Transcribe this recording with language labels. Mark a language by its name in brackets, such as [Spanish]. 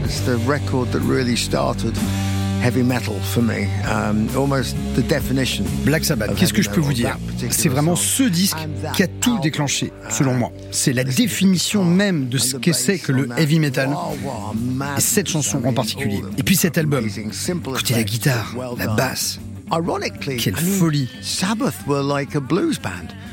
[English] It's the record that really started heavy metal for me. Almost the definition. Black Sabbath. [French] Qu'est-ce que je peux vous dire? C'est vraiment ce disque qui a tout déclenché, selon moi. C'est la définition même de ce que c'est que le heavy metal. Et cette chanson en particulier. Et puis cet album. Écoutez la guitare, la basse. [English] Ironically, [French] quelle folie. [English] Sabbath were like a blues band.